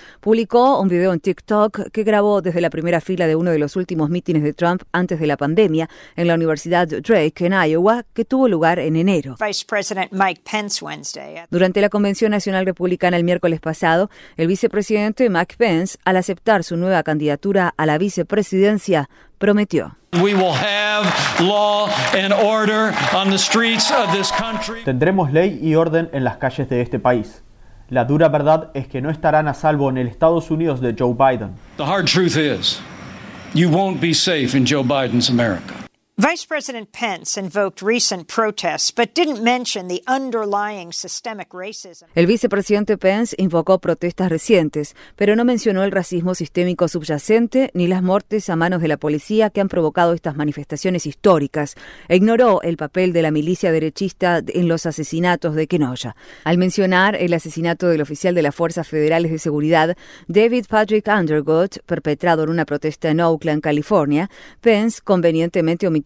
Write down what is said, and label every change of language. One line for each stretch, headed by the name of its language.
Spanish: Publicó un video en TikTok que grabó desde la primera fila de uno de los últimos mítines de Trump antes de la pandemia en la Universidad Drake en Iowa, que tuvo lugar en enero.
English: Vice President Mike Pence Wednesday.
Spanish: Durante la Convención Nacional Republicana el miércoles pasado, el vicepresidente Mike Pence, al aceptar su nueva candidatura a la vicepresidencia, prometió:
English: We will have law and order on the streets of this country.
Spanish: Tendremos ley y orden en las calles de este país. La dura verdad es que no estarán a salvo en el Estados Unidos de Joe Biden.
English: The hard truth is, you won't be safe in Joe Biden's America. Vice President Pence invoked recent protests, but didn't mention the underlying systemic racism.
Spanish: El vicepresidente Pence invocó protestas recientes, pero no mencionó el racismo sistémico subyacente ni las muertes a manos de la policía que han provocado estas manifestaciones históricas. E ignoró el papel de la milicia derechista en los asesinatos de Kenosha. Al mencionar el asesinato del oficial de las Fuerzas Federales de Seguridad, David Patrick Undergood, perpetrado en una protesta en Oakland, California, Pence convenientemente omitió